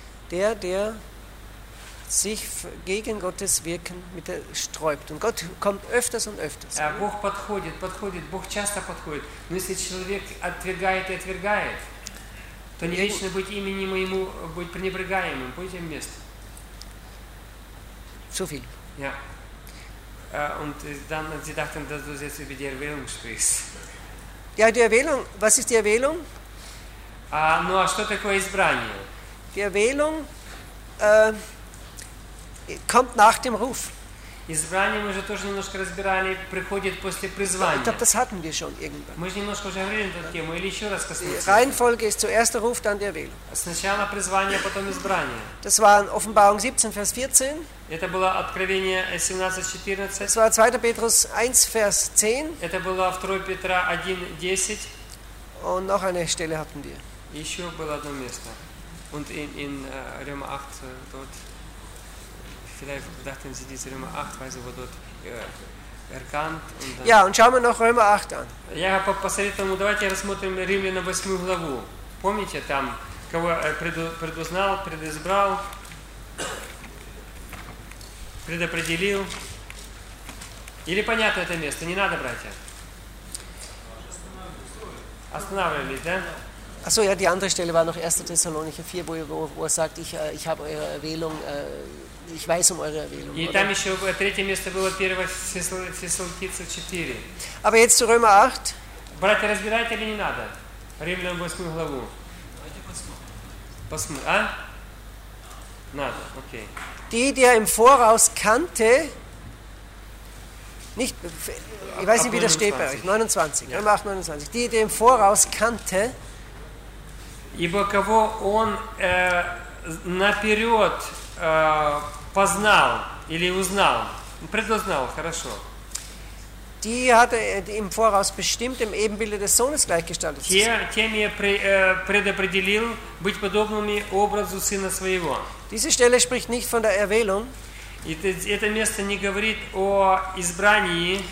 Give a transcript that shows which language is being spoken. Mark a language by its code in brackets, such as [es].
[de] Der sich gegen Gottes Wirken mit der sträubt. Und Gott kommt öfters und öfters. [ru] Бог подходит, Бог часто подходит. Но если человек отвергает и отвергает, то не вечно быть имени моему быть пренебрегаемым, будь им местом. [de] Zu viel. Ja. Und dann, Sie dachten, dass du jetzt über die Erwählung sprichst. Ja, die Erwählung, was ist die Erwählung? [ru] Ну, а что такое избрание? [de] Die Erwählung, kommt nach dem Ruf. [ru] Избрание мы уже тоже немножко разбирали, приходит после призвания. [de] Ich glaube, das hatten wir schon irgendwann. [ru] Мы же немножко уже говорили эту тему, или еще раз коснуться. [de] Reihenfolge ist zuerst der Ruf, dann der Wählung. [ru] Сначала призвание, потом избрание. [de] Das war in Offenbarung 17, Vers 14. [ru] Это было Откровение 17, 14. [de] Das war 2. Petrus 1, Vers 10. [ru] Это было 2 Петра 1, 10. [de] Und noch eine Stelle hatten wir. [ru] Еще было одно место. [de] Und in Römer 8, dort. Vielleicht dachten Sie, diese Römer 8, weil sie dort erkannt. Ja, und schauen wir noch Römer 8 an. [ru] Я посоветовал, давайте рассмотрим Римлянам 8 главу. Помните, там, кого предузнал, предизбрал, предопределил. Или понятно это место? Не надо, братья. Останавливались, да? [de] Achso, ja, die andere Stelle war noch 1. Thessalonicher 4, wo er sagt, ich habe eure Erwählung, ich weiß um eure Erwählung. [ru] И там еще третье место было 1. [de] Thessalonicher 4. Aber jetzt zu Römer 8. [ru] Братья, разбирайте или не надо? Римлянам 8 главу. Давайте посмотрим. Надо, окей. [de] Die, die er im Voraus kannte, nicht, ich weiß nicht, wie das steht bei euch, 29, ja. Römer 8, 29. Die, die er im Voraus kannte, [ru] ибо кого он наперед познал или узнал, предузнал, хорошо. [de] die hat er im Voraus bestimmt im Ebenbilde des Sohnes gleichgestaltet zu sein. [ru] Тем я предопределил быть подобными образу сына своего. [de] Diese Stelle spricht nicht von der Erwählung. [ru] Это место не говорит о избрании,